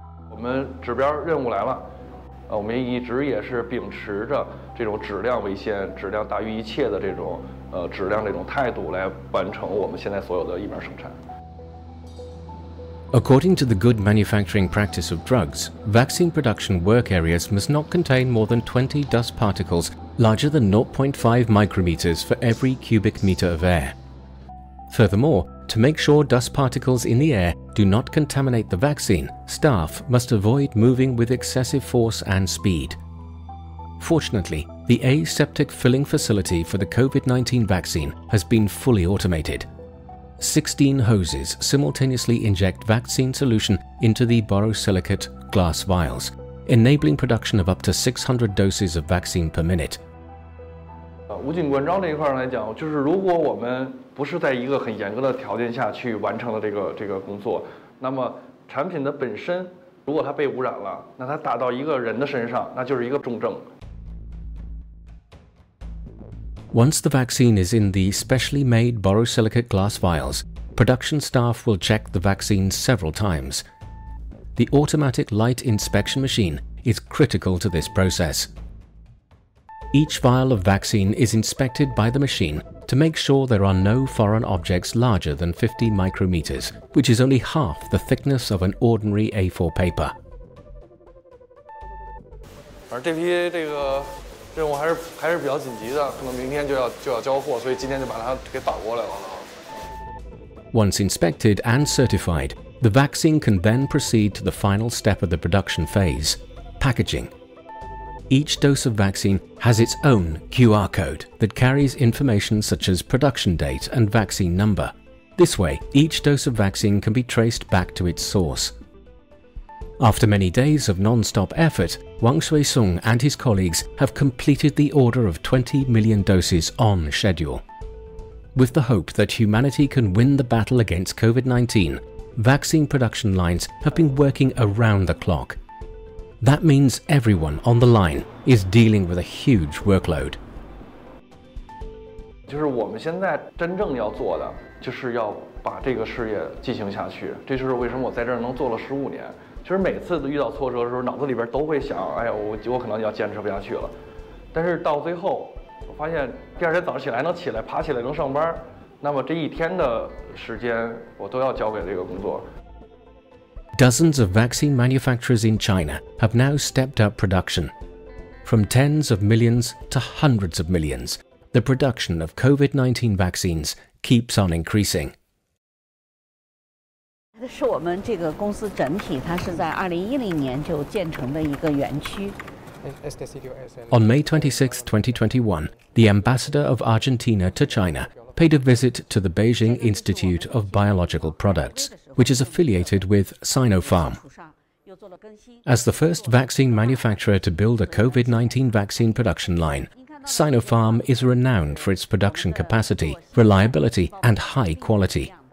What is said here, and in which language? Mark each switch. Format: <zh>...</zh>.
<en>We're going to</en> <zh>我们一直也是秉持着这种质量为先、质量大于一切的这种质量这种态度来完成我们现在所有的疫苗生产。</zh> <en>According to the good manufacturing practice of drugs, vaccine production work areas must not contain more than 20 dust particles larger than 0.5 micrometers for every cubic meter of air. Furthermore, to make sure dust particles in the air do not contaminate the vaccine, staff must avoid moving with excessive force and speed. Fortunately, the aseptic filling facility for the COVID-19 vaccine has been fully automated. 16 hoses simultaneously inject vaccine solution into the borosilicate glass vials, enabling production of up to 600 doses of vaccine per minute.</en> <zh>武警关照这一块来讲，就是如果我们不是在一个很严格的条件下去完成的这个工作，那么产品的本身如果它被污染了，那它打到一个人的身上，那就是一个重症。</zh> <en>Once the vaccine is in the specially made borosilicate glass vials, production staff will check the vaccine several times. The automatic light inspection machine is critical to this process. Each vial of vaccine is inspected by the machine to make sure there are no foreign objects larger than 50 micrometers, which is only half the thickness of an ordinary A4 paper.</en> <zh>这批这个任务还是比较紧急的，可能明天就要交货，所以今天就把它给倒过来了。</zh> <en>Once inspected and certified, the vaccine can then proceed to the final step of the production phase, packaging. Each dose of vaccine has its own QR code that carries information such as production date and vaccine number. This way, each dose of vaccine can be traced back to its source. After many days of non-stop effort, Wang Shui-sung and his colleagues have completed the order of 20 million doses on schedule. With the hope that humanity can win the battle against COVID-19, vaccine production lines have been working around the clock. That means everyone on the line is dealing with a huge workload.</en> <zh>就是我们现在真正要做的，就是要把这个事业进行下去。这就是为什么我在这儿能做了15年。其实每次遇到挫折的时候，脑子里边都会想，哎呀，我可能要坚持不下去了。但是到最后，我发现第二天早上起来能起来，爬起来能上班，那么这一天的时间我都要交给这个工作。</zh> <en>Dozens of vaccine manufacturers in China have now stepped up production. From tens of millions to hundreds of millions, the production of COVID-19 vaccines keeps on increasing.</en> <zh>这是我们这个公司整体，它是在2010年就建成的一个园区。</zh> <en>On May 26, 2021, the ambassador of Argentina to China paid a visit to the Beijing Institute of Biological Products, which is affiliated with Sinopharm. As the first vaccine manufacturer to build a COVID-19 vaccine production line, Sinopharm is renowned for its production capacity, reliability, and high quality.</en>